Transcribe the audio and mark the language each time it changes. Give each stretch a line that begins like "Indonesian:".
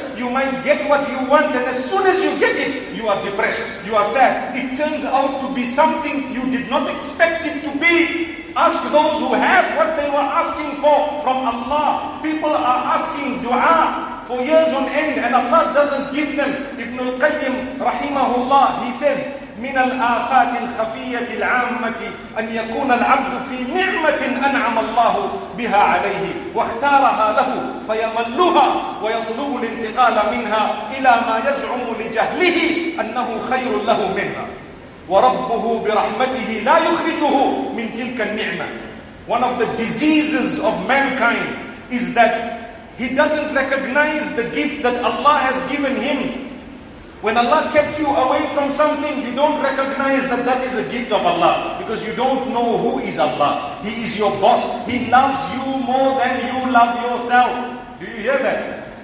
English: You might get what you want, and as soon as you get it, you are depressed. You are sad. It turns out to be something you did not expect it to be. Ask those who have what they were asking for from Allah. People are asking dua for years on end, and Allah doesn't give them. Ibn al-Qayyim, rahimahullah, he says,
Arabic: من الآفات الخفية العامة أن يكون العبد في نعمة أنعم الله بها عليه واختارها له فيملها ويطلب الانتقال منها إلى ما يزعم لجهله أنه خير له منها وربه برحمته لا يخرجه من تلك النعمة.
English: One of the diseases of mankind is that he doesn't recognize the gift that Allah has given him. When Allah kept you away from something, you don't recognize that that is a gift of Allah. Because you don't know who is Allah. He is your boss. He loves you more than you love yourself. Do you hear that?